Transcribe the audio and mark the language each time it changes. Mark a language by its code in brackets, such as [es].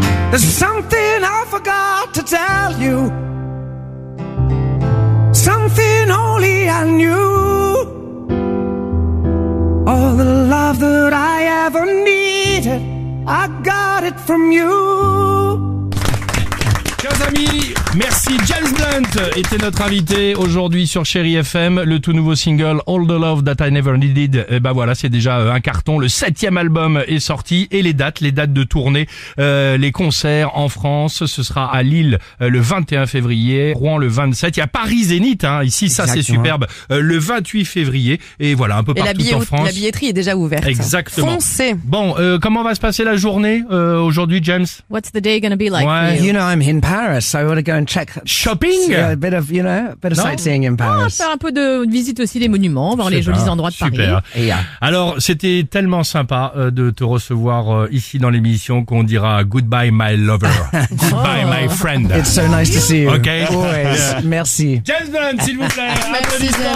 [en] There's something I forgot to tell you, something only I knew. All the love that I ever needed, I got it from you. [fr] Chers amis, merci. James Blunt était notre invité aujourd'hui sur Chéri FM. Le tout nouveau single All the Love That I Never Needed, et ben voilà, c'est déjà un carton. Le 7e album est sorti. Et les dates de tournée, les concerts en France, ce sera à Lille le 21 février, Rouen le 27. Il y a Paris Zénith, hein, ici. Exactement. Ça c'est superbe, le 28 février. Et voilà, un peu et partout en France. La billetterie est déjà ouverte. Exactement. Foncez. Bon, comment va se passer la journée aujourd'hui, James? [en] What's the day gonna be like? [fr] Ouais. [en] You know I'm in Paris, so I want to go and check shopping. A bit of, you know, a bit of sightseeing in Paris. [fr] Ah, faire un peu de visite aussi des monuments, voir les jolis endroits de super. Paris. Super. Yeah. Alors, c'était tellement sympa de te recevoir ici dans l'émission qu'on dira [en] goodbye my lover, goodbye my friend. It's so nice to see you. Okay. Always. Yeah. [fr] Merci. James Blunt, s'il vous plaît. Merci.